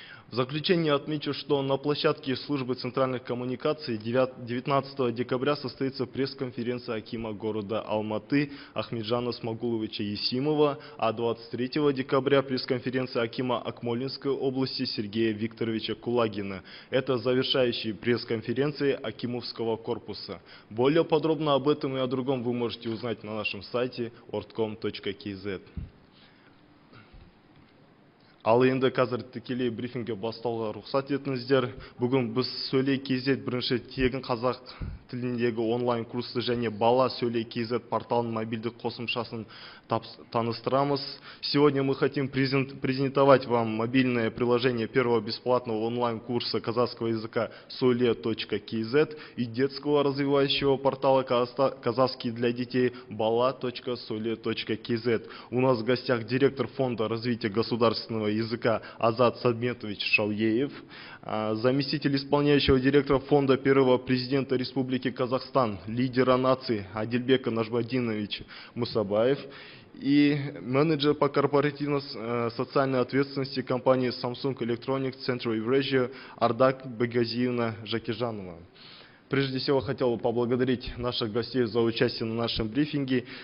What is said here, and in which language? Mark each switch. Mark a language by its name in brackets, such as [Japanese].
[Russian] В заключение отмечу, что на площадке службы центральных коммуникаций 19 декабря состоится пресс-конференция акима города Алматы Ахмеджана Смагуловича Есимова, а 23 декабря пресс-конференция акима Акмолинской области Сергея Викторовича Кулагина. Это завершающие пресс-конференции акимовского корпуса. Более подробно об этом и о другом вы можете узнать на нашем сайте ortcom.kz. [Kazakh] Ал енді қазір тікелей брифингге бастауға рұқсат етіңіздер. Бүгін біз сөйлей кезет бірінші тегін қазақ тіліндегі онлайн курсы және бала сөйлей кезет порталының мобильдік қосымшасын таныстырамыз. [Russian] Сегодня мы хотим презентовать вам мобильное приложение первого бесплатного онлайн курса казахского языка сөйле.кз и детского развивающего портала казахский для детей бала.сөйле.кз. У нас в гостях директор фонда развития государственного языка Азат Сабметович Шалеев, заместитель исполняющего директора фонда первого президента Республики Казахстан, лидера нации Адильбека Нажбадиновича Мусабаев и менеджер по корпоративно-социальной ответственности компании Samsung Electronics Central Eurasia Ардак Багазиевна Жакижанова. Прежде всего, хотел бы поблагодарить наших гостей за участие на нашем брифинге.